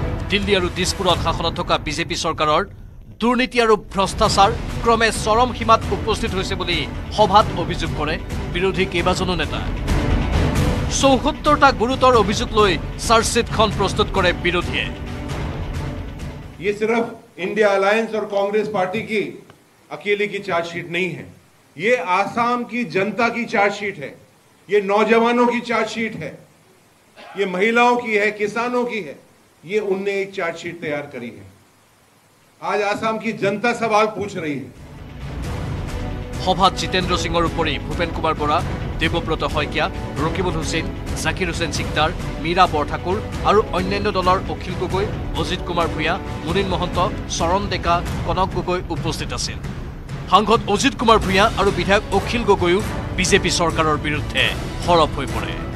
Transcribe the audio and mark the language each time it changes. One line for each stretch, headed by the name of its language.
Assamese: দিল্লী আৰু দিছপুৰত শাসনত থকা বিজেপি চৰকাৰৰ দুৰ্নীতি আৰু ভ্ৰষ্টাচাৰ ক্ৰমে চৰম সীমাত উপস্থিত হৈছে বুলি সভাত অভিযোগ কৰে বিৰোধী কেইবাজনো নেতা। 74টা গুৰুতৰ অভিযোগ লৈ চাৰ্জশ্বীটখন প্ৰস্তুত কৰে বিৰোধীয়ে।
Hindi: अकेले की चार्जशीट नहीं है, ये आसाम की जनता की चार्जशीट है, ये नौजवानों की चार्जशीट है, ये महिलाओं की है, किसानों की है, ये उनने एक चार्जशीट तैयार करी है। आज आसाम की जनता सवाल पूछ रही है।
Assamese: সভাত জিতেন্দ্র সিংৰ উপৰি ভূপেন কুমাৰ বৰা, দেৱব্ৰত শইকীয়া, ৰকিবুল হুছেইন, জাকিৰ হুছেইন সিকদাৰ, মীৰা বৰঠাকুৰ আৰু অন্যান্য দলৰ অখিল গগৈ, অজিত কুমাৰ ভূঞা, মুনীন মহন্ত, চৰণ ডেকা, কনক গগৈ উপস্থিত আছিল। সাংসদ অজিত কুমাৰ ভূঞা আৰু বিধায়ক অখিল গগৈও বিজেপি চৰকাৰৰ বিৰুদ্ধে সৰব হৈ পৰে।